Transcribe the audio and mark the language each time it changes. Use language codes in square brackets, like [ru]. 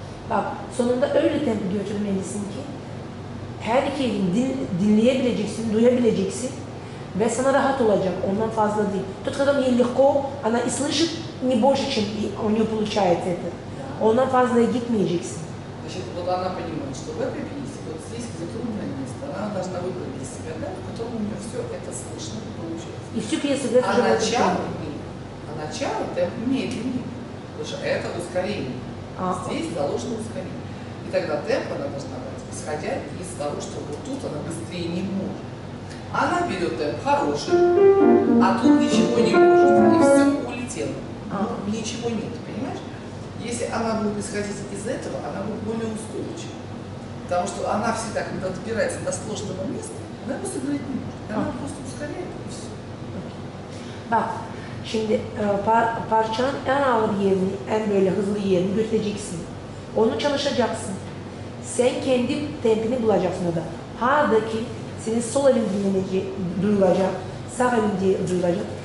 [tr] Bak, sonunda öyle tempo götürmelisin ki her iki elini dinleyebileceksin, duyabileceksin ve sana rahat olacak, ondan fazla değil. [ru] Тот, когда мне легко, она и слышит не больше, чем у нее получает это. [tr] Ondan fazla gitmeyeceksin. [ru] Значит, вот она понимает, что в этой пьесе вот здесь затруднено место. Она должна выбрать для себя, да, в котором у нее все это слышно и получается. И всю пьесу играет уже в этом темпе. А начало темп медленнее. Потому что это ускорение. Здесь заложено ускорение. И тогда темп она должна брать, исходя из того, что вот тут она быстрее не может. Она берет темп хороший, а тут ничего не может, и все улетело. Ничего нет, понимаешь? Если она будет исходить из этого, она будет более устойчива. Потому что она всегда, когда добирается до сложного места, она просто говорит не может. Она просто ускоряет, и все. [tr] Şimdi parçanın en ağır yerini, en böyle hızlı yerini göreceksin. Onu çalışacaksın. Sen kendi tempini bulacaksın orada. Haradaki senin sol elin dinleneceği duyulacak, sağ elin diye duyulacak.